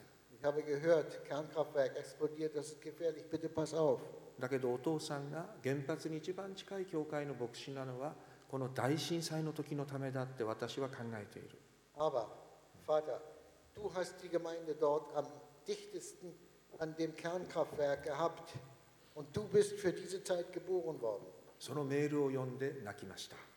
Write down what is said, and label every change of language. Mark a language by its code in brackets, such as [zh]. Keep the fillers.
[de] Ich habe gehört, Kernkraftwerk explodiert, das ist gefährlich, bitte pass auf. [ja] だけどお父さんが原発に一番近い教会の牧師なのはこの大震災の時のためだって私は考えている。 [de] Aber, Vater, du hast die Gemeinde dort am dichtesten an dem Kernkraftwerk gehabt und du bist für diese Zeit geboren worden. [ja] そのメールを読んで泣きました。